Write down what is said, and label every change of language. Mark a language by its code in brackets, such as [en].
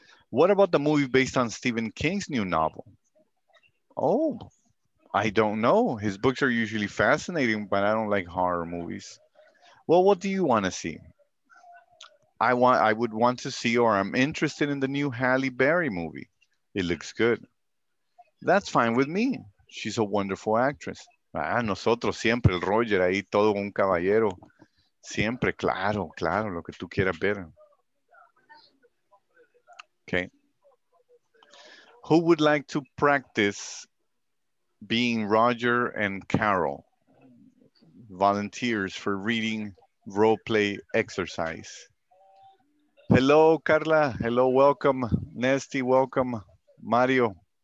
[en] What about the movie based on Stephen King's new novel? Oh, I don't know. His books are usually fascinating, but I don't like horror movies. Well, what do you want to see? I would want to see, or I'm interested in the new Halle Berry movie. It looks good. That's fine with me. She's a wonderful actress. [es] Ah, nosotros siempre, el Roger ahí, todo un caballero. Siempre, claro, claro, lo que tú quieras ver. [en] Okay. Who would like to practice being Roger and Carol? Volunteers for reading role play exercise. Hello, Carla. Hello, welcome. Nesty, welcome. Mario.